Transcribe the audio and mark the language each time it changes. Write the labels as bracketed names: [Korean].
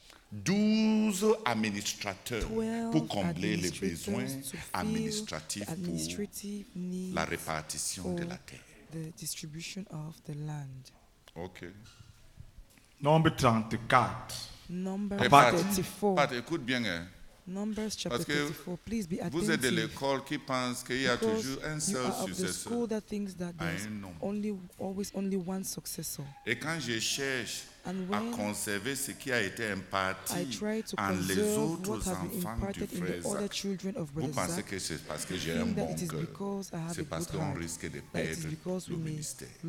[French] 12 administrateurs pour combler les besoins administratifs pour la répartition de la terre. [English] The distribution of the land. Okay. Number 34. Number 34. [French] Pat, écoute bien. [English] Numbers chapter 34. Please be attentive. [French] Vous êtes de l'école qui pense qu'il y a toujours un seul successeur. [English] That thinks that there's always only one successor. [French] Et quand je cherche à conserver ce qui a été imparti en les autres enfants du frère Zach, vous pensez que c'est parce que j'ai un bon cœur, c'est parce qu'on risque de perdre le ministère.